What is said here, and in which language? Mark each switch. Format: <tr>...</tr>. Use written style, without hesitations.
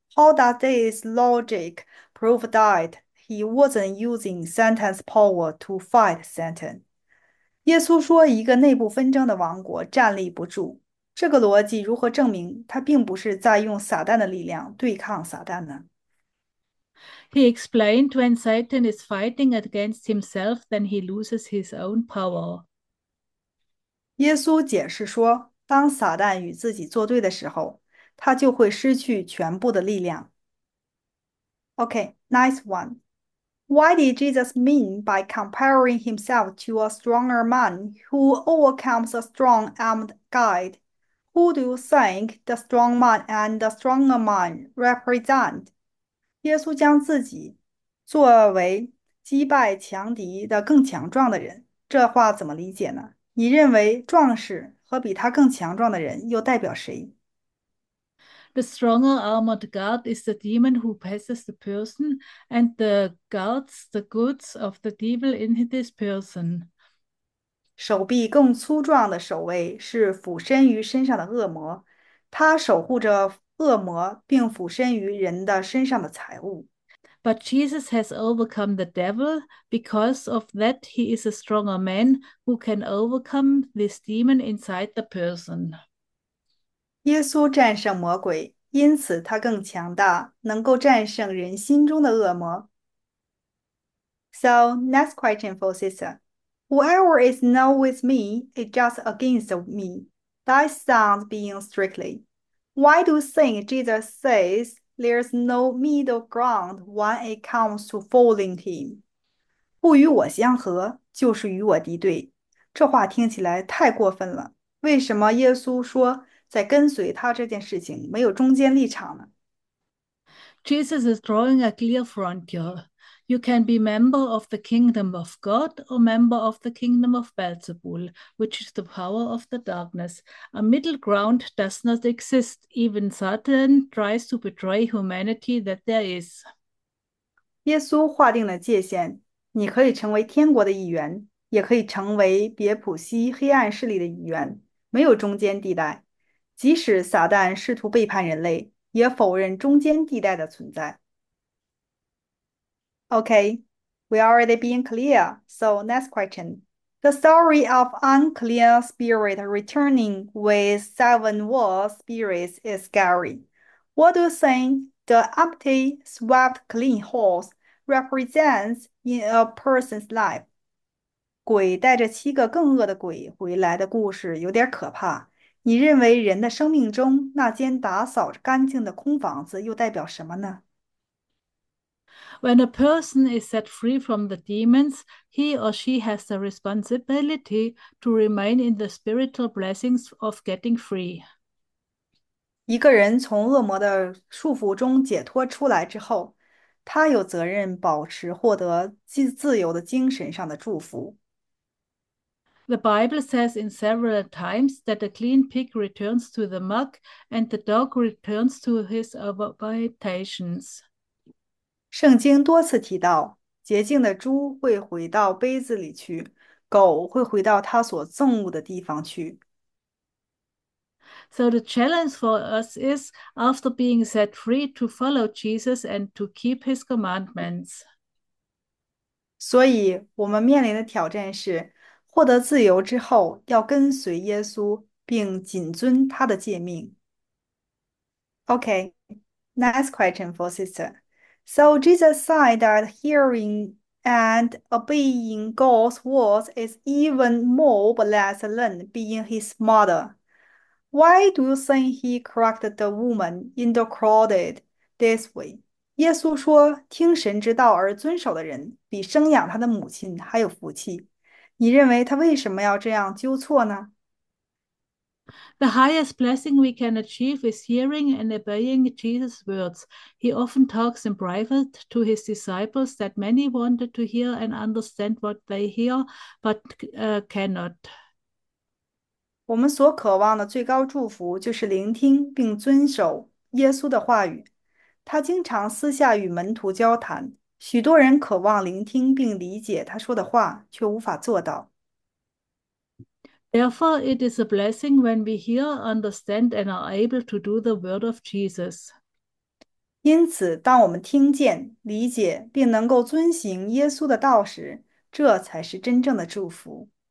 <en>How does this logic prove that he wasn't using Satan's power to fight Satan?</en> <zh>耶稣说一个内部纷争的王国站立不住，这个逻辑如何证明他并不是在用撒旦的力量对抗撒旦呢？</zh> <en>He explained when Satan is fighting against himself, then he loses his own power.</en> <zh>耶稣解释说，当撒旦与自己作对的时候，他就会失去全部的力量。</zh> <en>Okay, nice one. Why did Jesus mean by comparing himself to a stronger man who overcomes a strong armed guy? Who do you think the strong man and the stronger man represent?</en> <zh>耶稣将自己作为击败强敌的更强壮的人，这话怎么理解呢？你认为壮士和比他更强壮的人又代表谁？</zh> <en>The stronger armored guard is the demon who possesses the person, and the guards the goods of the devil in this person.</en> <zh>手臂更粗壮的守卫是附身于身上的恶魔，他守护着恶魔，并附身于人的身上的财物。</zh> <en>But Jesus has overcome the devil because of that he is a stronger man who can overcome this demon inside the person.</en> <zh>耶稣战胜魔鬼，因此他更强大，能够战胜人心中的恶魔。</zh> <en>So, next question for sister. Whoever is not with me is just against me. That sounds being strictly. Why do you think Jesus says there's no middle ground when it comes to following him?</en> <zh>不与我相合，就是与我敌对。这话听起来太过分了。为什么耶稣说？在跟随他这件事情，没有中间立场呢？</zh> <en>Jesus is drawing a clear frontier. You can be member of the kingdom of God or member of the kingdom of Beelzebul, which is the power of the darkness. A middle ground does not exist. Even Satan tries to betray humanity that there is.</en> <zh>耶稣划定了界限，你可以成为天国的一员，也可以成为别谱西黑暗势力的一员，没有中间地带。即使撒旦试图背叛人类，也否认中间地带的存在。</zh> <en>Okay, we already being clear. So next question: the story of unclean spirit returning with seven war spirits is scary. What do you think the empty, swept clean horse represents in a person's life?</en> <zh>鬼带着七个更恶的鬼回来的故事有点可怕。你认为人的生命中那间打扫干净的空房子又代表什么呢？</zh> <en>When a person is set free from the demons, he or she has the responsibility to remain in the spiritual blessings of getting free.</en> <zh>一个人从恶魔的束缚中解脱出来之后，他有责任保持获得自由的精神上的祝福。</zh> <en>The Bible says in several times that a clean pig returns to the muck and the dog returns to his habitations.</en> <zh>圣经多次提到，洁净的猪会回到杯子里去，狗会回到它所憎恶的地方去。</zh> <en>So the challenge for us is, after being set free, to follow Jesus and to keep his commandments.</en> <zh>所以，我们面临的挑战是，获得自由之后，要跟随耶稣，并谨遵他的诫命。</zh> <en>Okay, next question for sister. So Jesus said that hearing and obeying God's words is even more blessed than being his mother. Why do you think he corrected the woman in the crowded this way?</en> <zh>耶稣说："听神之道而遵守的人，比生养他的母亲还有福气。" 你认为他为什么要这样纠错呢？</zh> <en>The highest blessing we can achieve is hearing and obeying Jesus' words. He often talks in private to his disciples that many wanted to hear and understand what they hear, but cannot.</en> <zh>我们所渴望的最高祝福就是聆听并遵守耶稣的话语。他经常私下与门徒交谈，许多人渴望聆听并理解他说的话，却无法做到。</zh> <en>Therefore, it is a blessing when we hear, understand, and are able to do the word of Jesus.</en> <zh>因此，当我们听见、理解并能够遵行耶稣的道时，这才是真正的祝福。</zh>